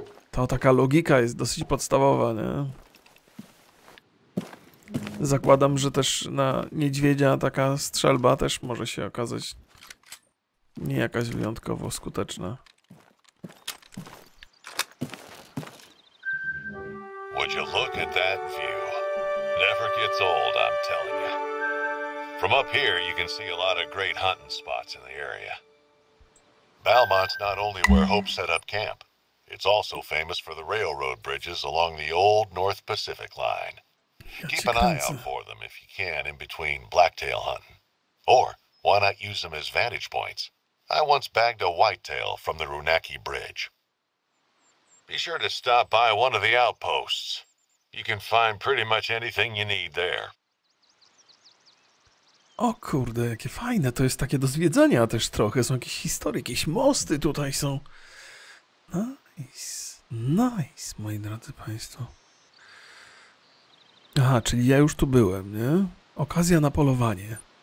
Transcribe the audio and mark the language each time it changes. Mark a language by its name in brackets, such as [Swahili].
[Polish] To taka logika jest dosyć podstawowa, nie? Zakładam, że też na niedźwiedzia taka strzelba też może się okazać nie jakaś wyjątkowo skuteczna. [English] Would you look at that view? Never gets old, I'm telling you. From up here, you can see a lot of great hunting spots in the area. Belmont's not only where Hope set up camp, it's also famous for the railroad bridges along the old North Pacific line. Keep an eye out for them if you can in between blacktail hunting. Or, why not use them as vantage points? I once bagged a whitetail from the Runaki Bridge. Be sure to stop by one of the outposts. You can find pretty much anything you need there. [Polish] O kurde, jakie fajne. To jest takie do zwiedzania też trochę. Są jakieś historie, jakieś mosty tutaj są. [English] Nice. Nice, [Polish] moi drodzy państwo. Aha, czyli ja już tu byłem, nie? Okazja na polowanie.